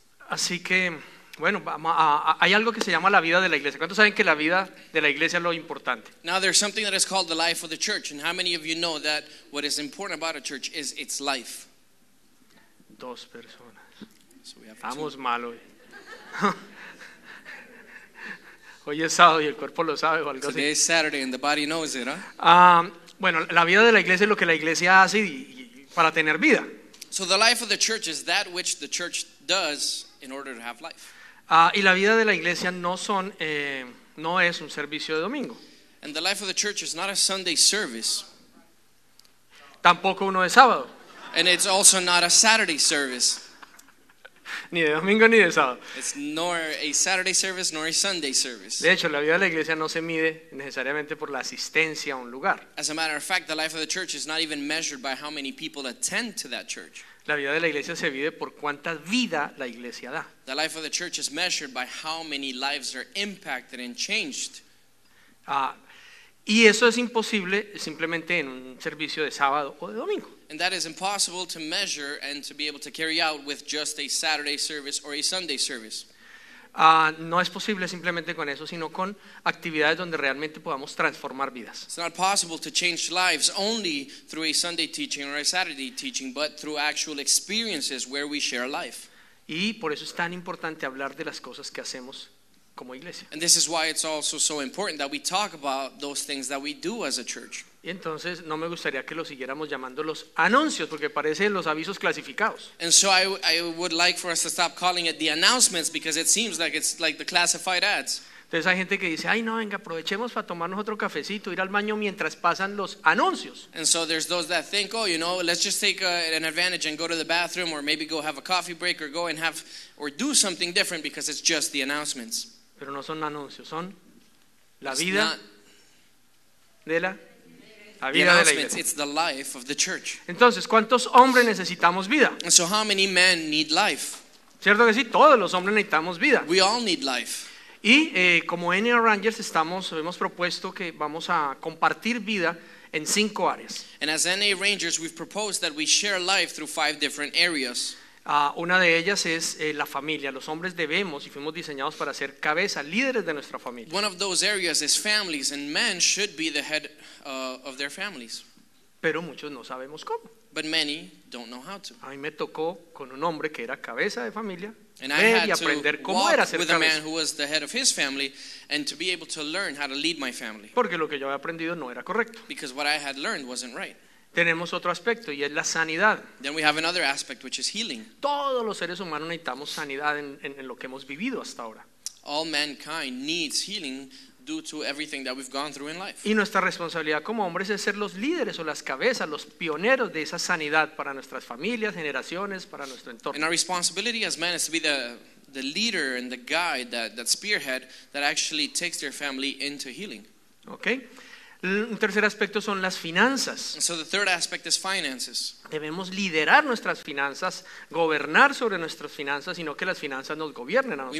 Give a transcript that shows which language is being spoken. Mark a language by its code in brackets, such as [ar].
[es] Así que, bueno, hay algo que se llama la vida de la iglesia. ¿Cuántos saben que la vida de la iglesia es lo importante? [en] Now there's something that is called the life of the church. And how many of you know that what is important about a church is its life? Dos personas. So we have two. Estamos mal hoy. [es] Hoy es sábado y el cuerpo lo sabe o algo así. [en] Today is Saturday and the body knows it, huh? [es] Bueno, la vida de la iglesia es lo que la iglesia hace y para tener vida. [en] So the life of the church is that which the church does in order to have life. [es] Y la vida de la iglesia no es un servicio de domingo. [en] And the life of the church is not a Sunday service. [es] Tampoco uno de sábado. [en] And it's also not a Saturday service. [es] Ni de domingo ni de sábado. [en] It's nor a Saturday service nor a Sunday service. [es] De hecho, la vida de la iglesia no se mide necesariamente por la asistencia a un lugar. [en] As a matter of fact, the life of the church is not even measured by how many people attend to that church. [es] La vida de la iglesia se mide por cuánta vida la iglesia da. [en] The life of the church is measured by how many lives are impacted and changed. [es] Y eso es imposible simplemente en un servicio de sábado o de domingo. [en] And that is impossible to measure and to be able to carry out with just a Saturday service or a Sunday service. [es] No es posible simplemente con eso, sino con actividades donde realmente podamos transformar vidas. [en] It's not possible to change lives only through a Sunday teaching or a Saturday teaching, but through actual experiences where we share life. [es] Y por eso es tan importante hablar de las cosas que hacemos como iglesia. [en] And this is why it's also so important that we talk about those things that we do as a church. [es] Y entonces no me gustaría que lo siguiéramos llamando los anuncios porque parecen los avisos clasificados. [en] And so I would like for us to stop calling it the announcements because it seems like it's like the classified ads. [es] Entonces hay gente que dice, ay no, venga, aprovechemos para tomarnos otro cafecito, ir al baño mientras pasan los anuncios. [en] And so there's those that think, oh, you know, let's just take an advantage and go to the bathroom or maybe go have a coffee break or go and have or do something different because it's just the announcements. [es] Pero no son anuncios, son la vida de la iglesia. [en] It's the life of the church. [es] Entonces, ¿cuántos hombres necesitamos vida? [en] So how many men need life? [es] Cierto que sí, todos los hombres necesitamos vida. [en] We all need life. [es] Y como N Rangers estamos, hemos propuesto que vamos a compartir vida en cinco áreas. [en] And as NA Rangers, we've proposed that we share life through five different areas. [es] Una de ellas es la familia. Los hombres debemos y fuimos diseñados para ser cabeza, líderes de nuestra familia. [en] One of those areas is families, and men should be the head of their families. [es] Pero muchos no sabemos cómo. [en] But many don't know how to. [es] A mí me tocó con un hombre que era cabeza de familia. [en] And I had to walk with a man who was the head of his family and to be able to learn how to lead my family. [es] Porque lo que yo había aprendido no era correcto. [en] Because what I had learned wasn't right. [es] Tenemos otro aspecto y es la sanidad. [en] Then we have another aspect, which is healing. [es] Todos los seres humanos necesitamos sanidad en lo que hemos vivido hasta ahora. [en] All mankind needs healing due to everything that we've gone through in life. [es] Y nuestra responsabilidad como hombres es ser los líderes o las cabezas, los pioneros de esa sanidad para nuestras familias, generaciones, para nuestro entorno. [en] And our responsibility as men is to be the leader and the guide, that spearhead that actually takes their family into healing. Okay. [es] Un tercer aspecto son las finanzas. [en] So the third aspect is finances. [es] Debemos liderar nuestras finanzas, gobernar sobre nuestras finanzas, y no que las finanzas nos gobiernen a nosotros.